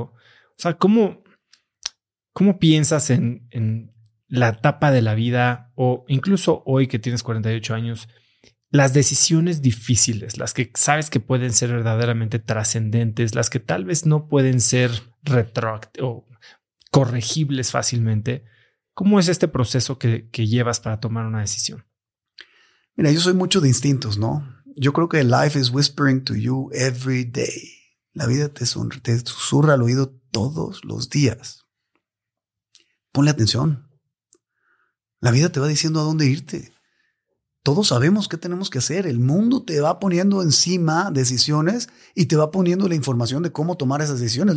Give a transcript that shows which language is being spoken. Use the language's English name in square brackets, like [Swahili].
[Spanish] O sea, ¿cómo piensas en la etapa de la vida o incluso hoy que tienes 48 años, las decisiones difíciles, las que sabes que pueden ser verdaderamente trascendentes, las que tal vez no pueden ser retroactivas o corregibles fácilmente? ¿Cómo es este proceso que llevas para tomar una decisión? Mira, yo soy mucho de instintos, ¿no? Yo creo que [English] life is whispering to you every day. [Spanish] La vida te susurra al oído todos los días. Ponle atención. La vida te va diciendo a dónde irte. Todos sabemos qué tenemos que hacer. El mundo te va poniendo encima decisiones y te va poniendo la información de cómo tomar esas decisiones.